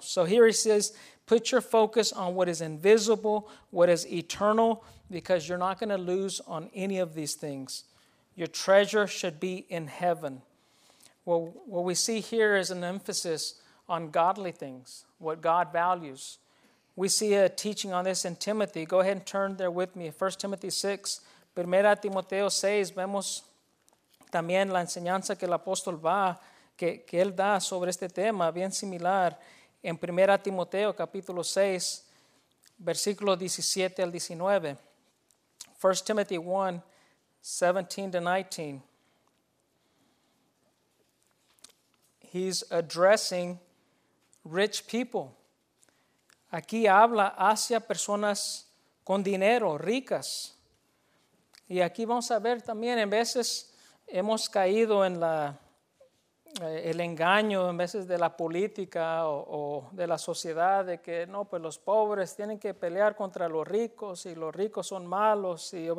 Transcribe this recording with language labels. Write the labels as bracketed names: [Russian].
[English] So here he says, put your focus on what is invisible, what is eternal, because you're not going to lose on any of these things. Your treasure should be in heaven. Well, what we see here is an emphasis on godly things, what God values. We see a teaching on this in Timothy. Go ahead and turn there with me. 1 Timothy 6, [Spanish] 1 Timoteo 6, vemos también la enseñanza que el apóstol va que él da sobre este tema, bien similar, en 1 Timoteo capítulo 6, versículo 17 al 19. [English] 1 Timothy 1, 17 to 19. He's addressing rich people. [Spanish] Aquí habla hacia personas con dinero, ricas. Y aquí vamos a ver también, en veces hemos caído en el engaño en veces de la política o de la sociedad de que no, pues los pobres tienen que pelear contra los ricos y los ricos son malos.